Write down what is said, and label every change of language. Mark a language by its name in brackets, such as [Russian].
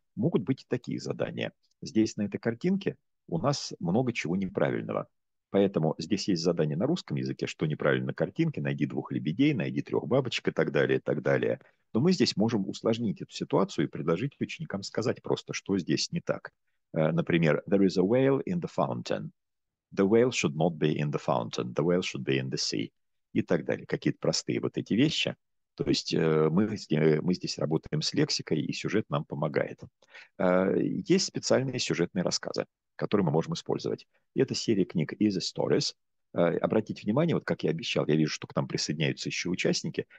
[Russian] Могут быть и такие задания. Здесь на этой картинке у нас много чего неправильного. Поэтому здесь есть задание на русском языке, что неправильно на картинке, найди двух лебедей, найди трех бабочек и так далее, и так далее. Но мы здесь можем усложнить эту ситуацию и предложить ученикам сказать просто, что здесь не так. Например, [English] there is a whale in the fountain. The whale should not be in the fountain. The whale should be in the sea. [Russian] И так далее. Какие-то простые вот эти вещи. То есть мы здесь работаем с лексикой, и сюжет нам помогает. Есть специальные сюжетные рассказы, которые мы можем использовать. Это серия книг Easy Stories. Обратите внимание, вот как я обещал, я вижу, что к нам присоединяются еще участники.